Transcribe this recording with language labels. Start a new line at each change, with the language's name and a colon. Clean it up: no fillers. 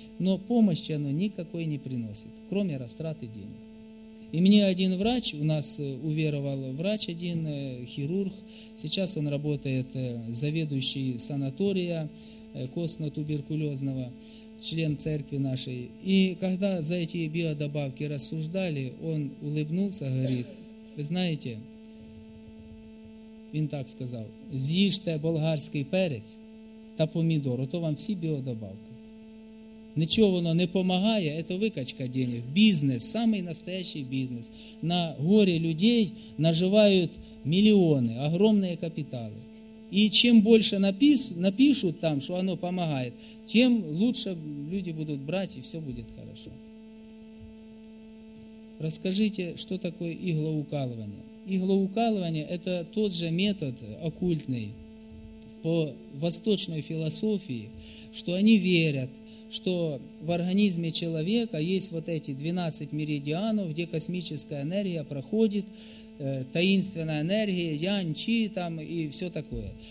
Russian: Но помощи оно никакой не приносит, кроме растраты денег. И мне один врач, у нас уверовал врач один, хирург, сейчас он работает заведующий санатория костно-туберкулезного, член церкви нашей. И когда за эти биодобавки рассуждали, он улыбнулся, говорит, вы знаете,
Ukrainian: він так сказав, з'їжте болгарський перець та помідор, ото вам всі біодобавки. Нічого воно не допомагає, це викачка денег. Бізнес, самий настоящий бізнес. На горі людей наживають мільйони, огромні капітали. І чим більше напишуть там, що воно допомагає, тим краще люди будуть брати, і все буде добре. Розкажіть, що таке іглоукалування.
Russian: Иглоукалывание – это тот же метод оккультный по восточной философии, что они верят, что в организме человека есть вот эти 12 меридианов, где космическая энергия проходит, таинственная энергия, янь-чи там и все такое.